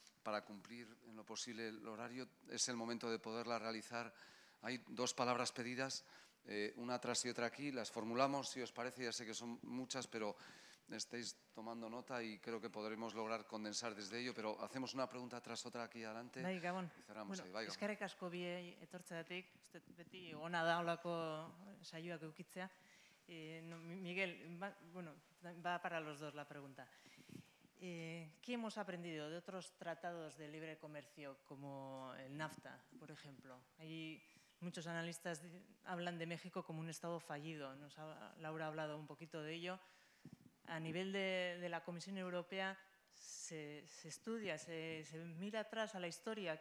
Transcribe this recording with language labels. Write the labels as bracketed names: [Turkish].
[Spanish] para cumplir en lo posible el horario, es el momento de poderla realizar. Hay dos palabras pedidas, una tras y otra aquí, las formulamos si os parece, ya sé que son muchas, pero estáis tomando nota y creo que podremos lograr condensar desde ello, pero hacemos una pregunta tras otra aquí adelante. [Basque] Bai, Gabon. [Spanish] Y cerramos bueno, [Basque] ahí. Bai, Gabon. Eskerrik asko biei etortzeatik, usted beti ona da holako saioak edukitzea. [Spanish] No, Miguel, va, bueno, va para los dos la pregunta. ¿Qué hemos aprendido de otros tratados de libre comercio como el NAFTA, por ejemplo? Hay muchos analistas hablan de México como un estado fallido. Laura ha hablado un poquito de ello. A nivel de la Comisión Europea, ¿se estudia, se mira atrás a la historia?